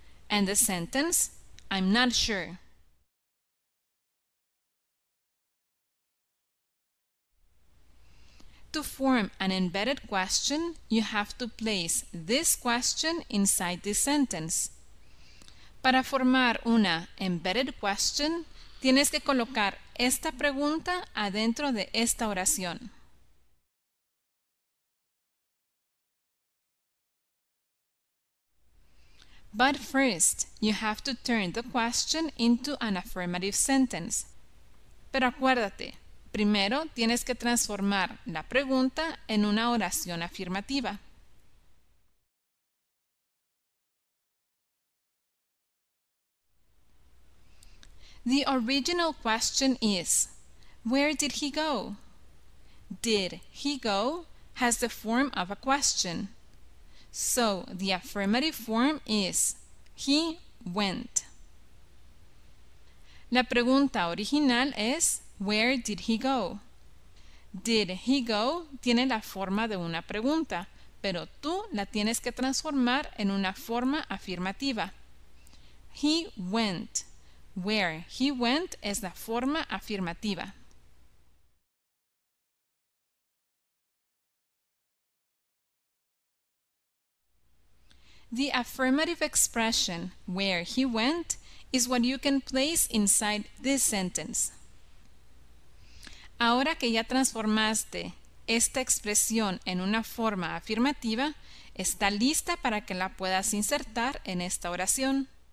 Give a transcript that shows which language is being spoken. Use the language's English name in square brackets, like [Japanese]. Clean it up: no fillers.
[English] And the sentence, I'm not sure. To form an embedded question, you have to place this question inside this sentence. [Spanish] Para formar una embedded question, tienes que colocar esta pregunta adentro de esta oración. [English] But first, you have to turn the question into an affirmative sentence. [Spanish] Pero acuérdate, primero tienes que transformar la pregunta en una oración afirmativa. [English] The original question is, where did he go? Did he go has the form of a question. So, the affirmative form is, he went. [Spanish] La pregunta original es, [English] where did he go? Did he go [Spanish] tiene la forma de una pregunta, pero tú la tienes que transformar en una forma afirmativa. [English] He went. Where he went [Spanish] es la forma afirmativa. [English] The affirmative expression, where he went, is what you can place inside this sentence. [Spanish] Ahora que ya transformaste esta expresión en una forma afirmativa, está lista para que la puedas insertar en esta oración.